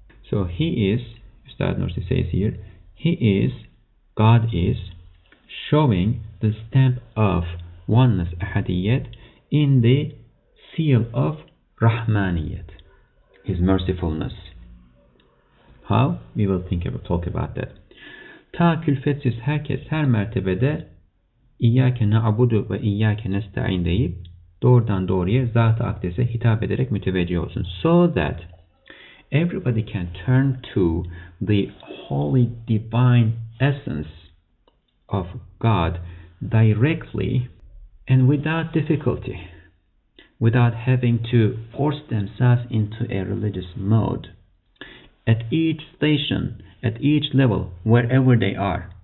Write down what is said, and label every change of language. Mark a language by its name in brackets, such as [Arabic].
[English] So He is, Ustad Nursi says here, God is showing the stamp of oneness, Ahadiyyat, in the seal of Rahmaniyat, His mercifulness. How? We will talk about that. [Turkish] Ta külfetsiz herkes her mertebede İyyâke na'budu ve İyyâke nesta'in deyip doğrudan doğruya Zat-ı Akdes'e hitap ederek müteveccih olsun. [English] So that everybody can turn to the holy divine essence of God directly and without difficulty, without having to force themselves into a religious mode, at each station, at each level, wherever they are,